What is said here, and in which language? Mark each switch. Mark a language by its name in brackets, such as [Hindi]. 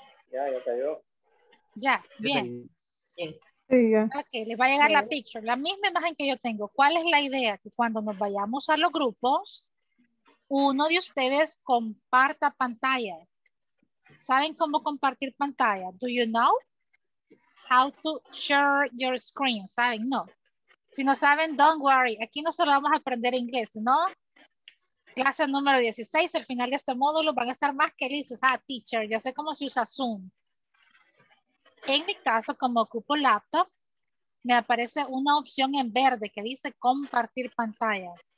[Spanish] Ya cayó. Ya, bien. [English] Yes. [Spanish] Ok, les va a llegar la picture. La misma imagen que yo tengo. ¿Cuál es la idea? Que cuando nos vayamos a los grupos, uno de ustedes comparta pantalla. ¿Saben cómo compartir pantalla? [English] Do you know how to share your screen? [Spanish] ¿Saben? No. Si no saben, [English] don't worry. [Spanish] Aquí no solo vamos a aprender inglés, ¿no? Clase número 16, al final de este módulo van a estar más que listos. Ah, teacher, ya sé cómo se usa Zoom. En mi caso, como ocupo laptop, me aparece una opción en verde que dice compartir pantalla.